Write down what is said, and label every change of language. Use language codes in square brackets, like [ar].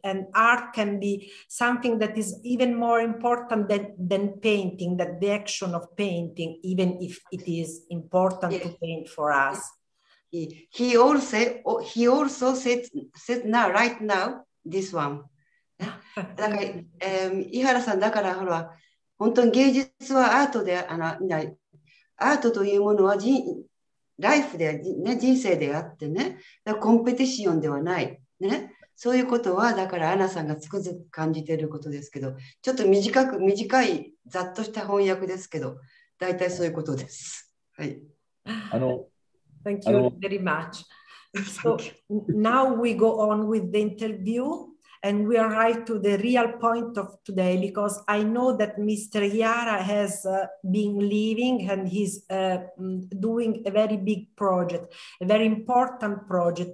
[en] And art can be something that is even more important than painting, that the action of painting, even if it is important to paint for us. He also said now, right now, this one. [ja] だから、井原さんだからほら本当に芸術はアートで、アートというものはライフで、ね、人生であってね、だコンペティションではない、ね、そういうことはだからアナさんがつくづく感じていることですけど、ちょっと短いざっとした翻訳ですけど、だいたいそういうことです、はい、 [en] Thank you very much. So now we go on with the interviewAnd we arrive to the real point of today, because I know that Mr. Ihara has been leaving and he's doing a very big project, a very important project.